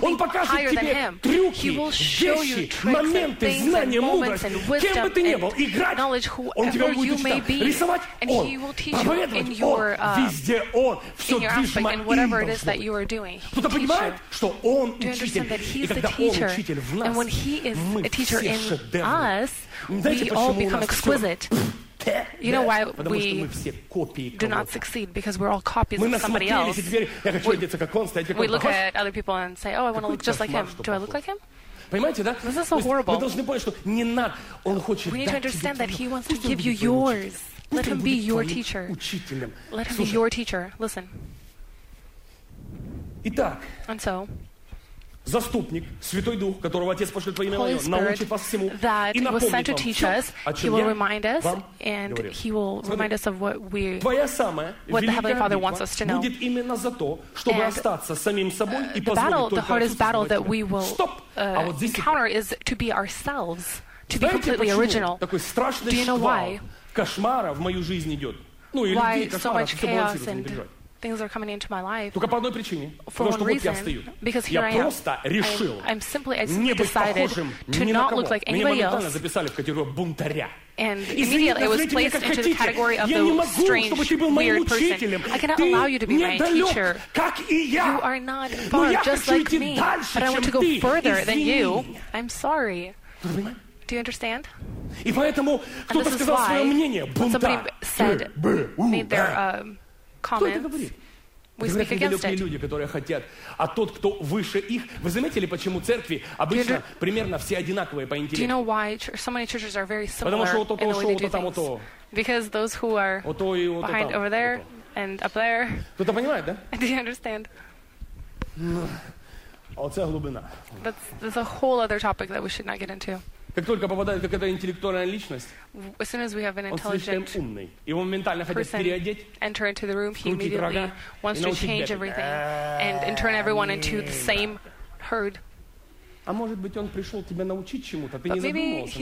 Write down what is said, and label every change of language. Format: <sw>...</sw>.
<ru>он покажет тебе трюки, вещи, моменты, знания, мудрость. Кем бы ты ни был, играть, он тебя будет учить там. Рисовать он, проповедовать он, везде он, все движимо им должно быть. Кто-то понимает, что он учит.</ru> <en>And when he is a teacher in us, we all become exquisite. You know why we do not succeed? Because we're all copies of somebody else. We look at other people and say, oh, I want to look just like him. Do I look like him?</en> <ru>Понимаете, да?</ru> <en>This is so horrible.</en> <ru>Мы должны понять, что не надо. Он хочет дать.</ru> <en>We need to understand that he wants to give you yours. Let him be your teacher. Let him be your teacher. Listen.</en> <ru>Итак.</ru> <en>And so.</en> <ru>Заступник, Святой Дух, которого Отец пошлет во имя Мое, научит вас всему и напомнит вам, о чем я вам говорил.</ru> <en>He will remind us, and he will remind us of what we, what the Heavenly Father wants us to know.</en> <ru>Будет именно за то, чтобы остаться самим собой и позволить только</ru> <en>the hardest battle that we will encounter is to be ourselves, to be completely original.</en> <ru>Такой страшный шквал кошмара в мою жизнь идет. Ну, или</ru> <en>why</en> <ru>людей, кошмара,</ru> <en>so much chaos and things are coming into my life.</en> <ru>Только по одной причине.</ru> <en>For one reason. Because here I am. I decided to not look like anybody else. And immediately it was placed into the category of the strange, weird person. I cannot allow you to be my teacher. You are not far, just like me. But I want to go further than you. I'm sorry. Do you understand?</en> <ru>И поэтому кто-то сказал свое мнение.</ru> <en>Somebody said, made their... comments. We speak against it.</en> <ru>Люди, которые хотят, а тот, кто выше их, вы заметили, почему церкви обычно примерно все одинаковые по интересу?</ru> <en>Do you know why so many churches are very similar in the way they do things? Because those who are behind over there, and up there.</en> <ru>Кто-то понимает, да?</ru> <en>Do you understand?</en> <uk>Оце глибина.</uk> <en>That's a whole other topic that we should not get into.</en> <ru>Как только попадает какая-то интеллектуальная личность,</ru> <en>as soon as we have an intelligent</en> <ru>он слишком умный. Его моментально хотят переодеть,</ru> <en>enter into the room, he immediately wants to change everything and turn everyone into the same herd.</en> <ru>А может быть, он пришел тебя научить чему-то, ты не задумывался</ru>